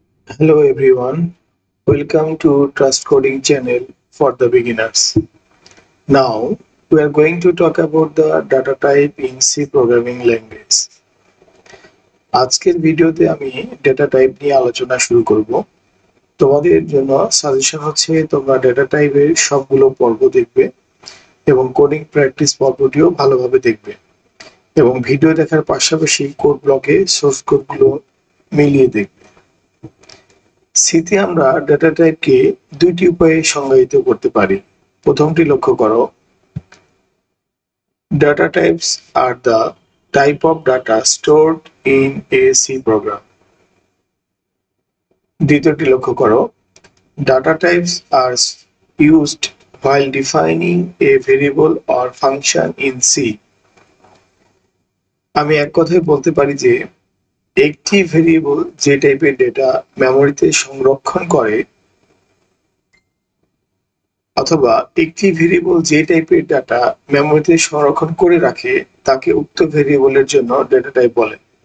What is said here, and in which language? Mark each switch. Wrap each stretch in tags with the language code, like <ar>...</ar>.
<en>Hello everyone, welcome to Trust Coding channel for the beginners. Now we are going to talk about the data type in C programming language.</en> <bn>আজকের ভিডিওতে আমি data type নিয়ে আলোচনা শুরু করব। তোমাদের জন্য সাজেশন হচ্ছে তোমরা ডেটা টাইপের সবগুলো পর্ব দেখবে এবং কোডিং প্র্যাকটিস পর্বটিও ভালোভাবে দেখবে এবং ভিডিও দেখার পাশাপাশি কোড ব্লকে সোর্স কোডগুলো মিলিয়ে দেখবে। সিতে আমরা ডেটা টাইপকে দুইটি উপায়ে সংজ্ঞায়িত করতে পারি। প্রথমটি লক্ষ্য করো,</bn> <en>Data types are the type of data stored in a C program.</en> <bn>দ্বিতীয়টি লক্ষ্য করো,</bn> <en>data types are used while defining a variable or function in C.</en> <bn>আমি এক কথায় বলতে পারি যে একটি ভেরিয়েবল যে টাইপের ডেটা মেমোরিতে সংরক্ষণ করে অথবা একটি ভেরিয়েবল যে টাইপের ডাটা মেমোরিতে সংরক্ষণ করে রাখে তাকে উক্ত ভেরিয়েবলের জন্য ডেটা টাইপ বলে।</bn>